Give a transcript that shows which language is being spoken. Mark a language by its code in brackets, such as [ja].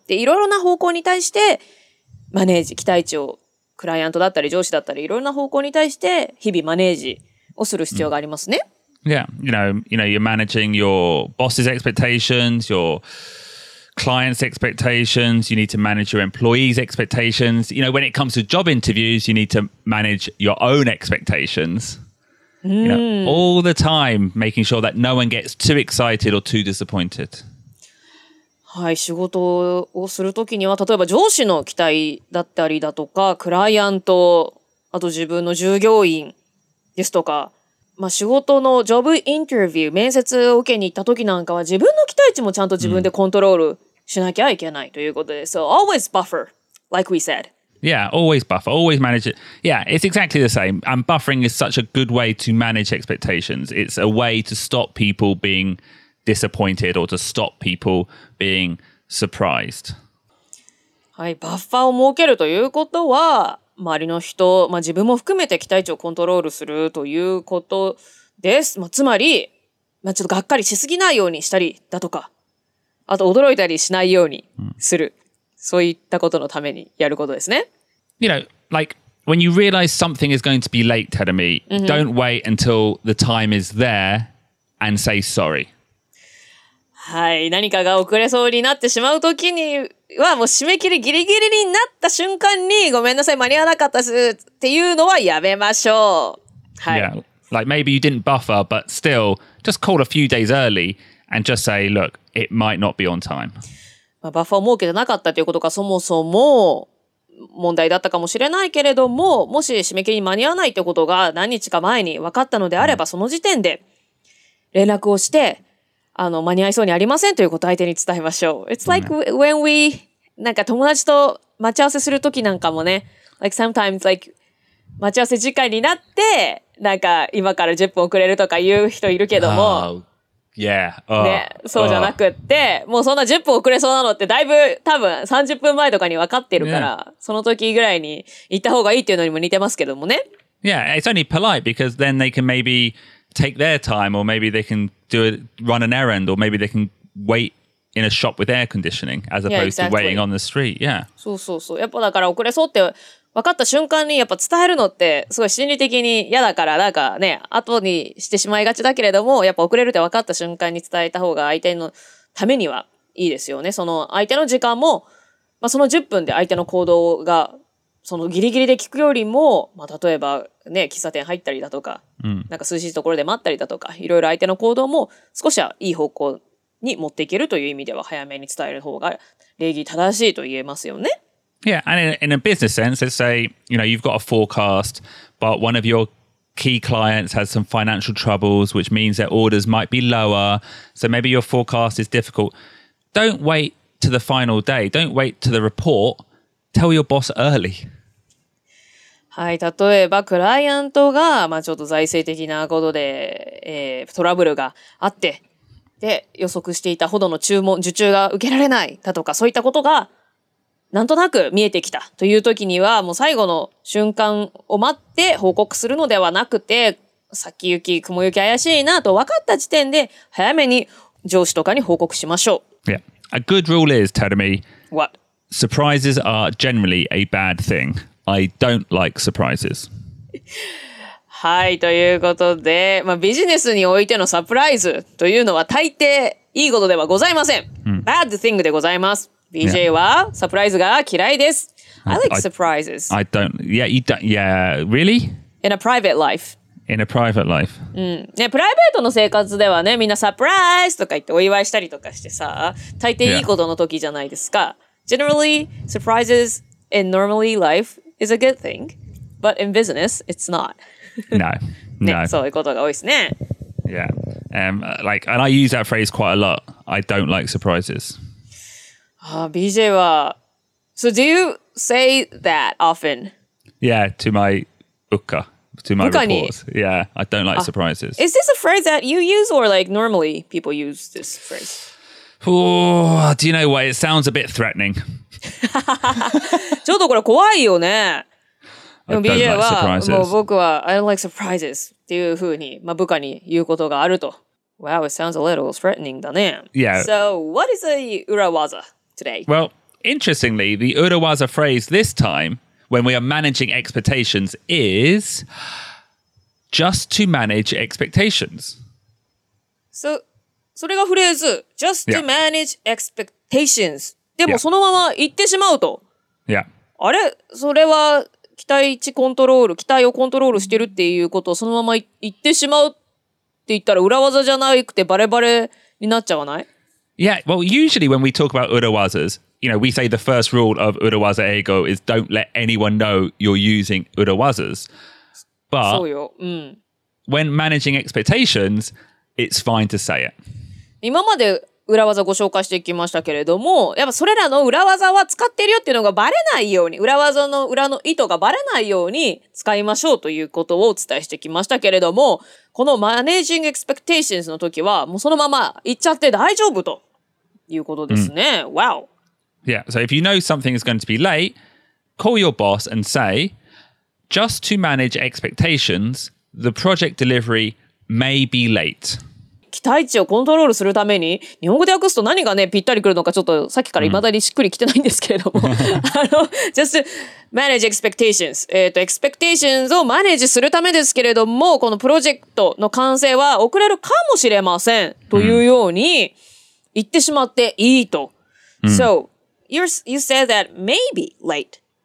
[ja] で、いろいろな方向に対して、マネージ、期待値を、クライアントだったり、上司だったり、いろいろな方向に対して、日々マネージをする必要がありますね。 [en] Yeah, you know, you're managing your boss's expectations, your clients' expectations, you need to manage your employees' expectations. You know, when it comes to job interviews, you need to manage your own expectations. Mm. You know, all the time, making sure that no one gets too excited or too disappointed. [ja] はい、仕事をするときには例えば上司の期待だったりだとかクライアントあと自分の従業員ですとか、まあ、仕事のジョブインタビュー面接を受けに行ったときなんかは自分の期待値もちゃんと自分でコントロールしなきゃいけないということで、 [en] So always buffer, like we said. Yeah, always buffer, always manage it. Yeah, it's exactly the same. And buffering is such a good way to manage expectations. It's a way to stop people beingdisappointed or to stop people being surprised. [ja] はい、バッファーを設けるということは、周りの人、まあ、自分も含めて期待値をコントロールするということです。まあ、つまり、まあ、ちょっとがっかりしすぎないようにしたりだとか、あと驚いたりしないようにする。そういったことのためにやることですね。 [en] You know, like, when you realize something is going to be late, Tadami, don't wait until the time is there and say sorry. [ja] はい、何かが遅れそうになってしまうときにはもう締め切りギリギリになった瞬間にごめんなさい間に合わなかったですっていうのはやめましょう。はい。 [en] Yeah. Like maybe you didn't buffer, but still, just call a few days early and just say, look, it might not be on time. [ja] まあ、バッファーを設けてなかったということがそもそも問題だったかもしれないけれども、もし締め切りに間に合わないということが何日か前に分かったのであれば、その時点で連絡をして、あの間に合いそうにありませんということ相手に伝えましょう。 [en] It's like when we [ja] なんか友達と待ち合わせするときなんかもね、 [en] like sometimes like [ja] 待ち合わせ時間になってなんか今から10分遅れるとか言う人いるけども、 [en] yeah. [ja] ね、そうじゃなくって、もうそんな10分遅れそうなのってだいぶ多分30分前とかに分かってるから、その時ぐらいに行った方がいいっていうのにも似てますけどもね。 [en] Yeah, it's only polite because then they can maybe take their time or maybe they canrun an errand, or maybe they can wait in a shop with air conditioning as opposed yeah,、exactly. to waiting on the street. Yeah. [ja] そうそうそう。やっぱだから遅れそうって分かった瞬間にやっぱ伝えるのってすごい心理的に嫌だからなんかね、後にしてしまいがちだけれども、やっぱ遅れるって分かった瞬間に伝えた方が相手のためにはいいですよね。その相手の時間も、まあ、その10分で相手の行動がそのギリギリで聞くよりも、まあ、例えばね、喫茶店入ったりだとか、なんか涼しいところで待ったりだとか、いろいろ相手の行動も少しはいい方向に持っていけるという意味では早めに伝える方が礼儀正しいと言えますよね。 [en] Yeah, and in a business sense, let's say, you know, you've got a forecast, but one of your key clients has some financial troubles, which means their orders might be lower, so maybe your forecast is difficult. Don't wait to the final day, don't wait to the report. Tell your boss early. [ja] はい、例えばクライアントが、まあ、ちょっと財政的なことで、トラブルがあってで予測していたほどの注文受注が受けられないだとかそういったことがなんとなく見えてきたという時にはもう最後の瞬間を待って報告するのではなくて先行き雲行き怪しいなと分かった時点で早めに上司とかに報告しましょう。 [en] Yeah, a good rule is, Tadami. What? Surprises are generally a bad thing. I don't like surprises. [ja] はい、ということで、まあ、ビジネスにおいてのサプライズというのは大抵いいことではございません。 [en] Bad thing [ja] でございます。 BJ はサプライズが嫌いです。 [en] I like surprises. I don't. Yeah, you don't. Yeah, really? In a private life. In a private life. [ja] うん。ね、プライベートの生活ではね、みんなサプライズとか言ってお祝いしたりとかしてさ、大抵いいことの時じゃないですか。 [en] Yeah. Generally, surprises in normally life is a good thing, but in business, it's not. No, no. [ja] ね、そういうことが多いですね。 [en] Yeah. Like, and I use that phrase quite a lot. I don't like surprises. BJ は...So do you say that often? Yeah, to my 部下, to my 部下に...reports. Yeah, I don't like surprises. Is this a phrase that you use or like normally people use this phrase? Oh, do you know what? It sounds a bit threatening. [ja] ちょっとこれ怖いよね。でも BJ は、もう僕は、 [en] I don't like surprises [ja] っていうふうに、まあ、部下に言うことがあると。 [en] Wow, it sounds a little threatening だね。 Yeah. So, what is the urawaza today? Well, interestingly, the urawaza phrase this time, when we are managing expectations, is just to manage expectations. So... [ja] それがフレーズ、 [en] just to manage expectations. expectations。 [ja] でもそのまま言ってしまうと、 [en] yeah. [ja] あれそれは期待値コントロール、期待をコントロールしてるっていうことをそのまま言ってしまうって言ったら裏技じゃなくてバレバレになっちゃわない？ [en] Yeah, well usually when we talk about urawazas, you know, we say the first rule of urawaza ego is don't let anyone know you're using urawazas. But [ja] そうよ、うん、 [en] when managing expectations, it's fine to say it. [ja] 今まで裏技ご紹介していきましたけれども、やっぱそれらの裏技は使ってるよっていうのがバレないように、裏技の裏の意図がバレないように使いましょうということをお伝えしてきましたけれども、このマネージングエクスペクテーションズの時はもうそのまま言っちゃって大丈夫ということですね、mm. [en] Wow. Yeah, so if you know something is going to be late, call your boss and say, just to manage expectations, the project delivery may be late. [ja] 期待値をコントロールするために、日本語で訳すと何がねぴったりくるのかちょっとさっきから未だにしっくりきてないんですけれども、 [en] just manage expectations、 [ja] expectations をマネージするためですけれども、このプロジェクトの完成は遅れるかもしれませんというように言ってしまっていいと、 [en] So you said that may be late、